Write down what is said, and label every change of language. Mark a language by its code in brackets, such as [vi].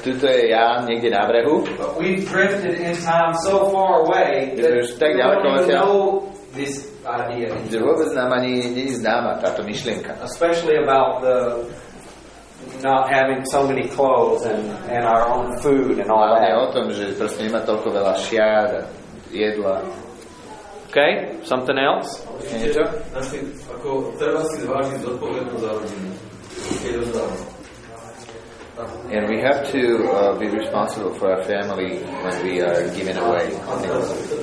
[sk] Tuto je Ján niekde na brehu. [en] But we've drifted in time so far away that we don't even know this. [sk] Že vôbec nám ani nie je známa táto myšlienka. [en] Especially about the not having so many clothes and our own food and all that. [sk] Ale o tom, že proste nemá toľko veľa šiat a jedla. [en] Okay, something else? [sk] Niečo? Ako treba si zvážiť zodpovednosť za rodinu. [en] And we have to be responsible for our family when we are giving away things.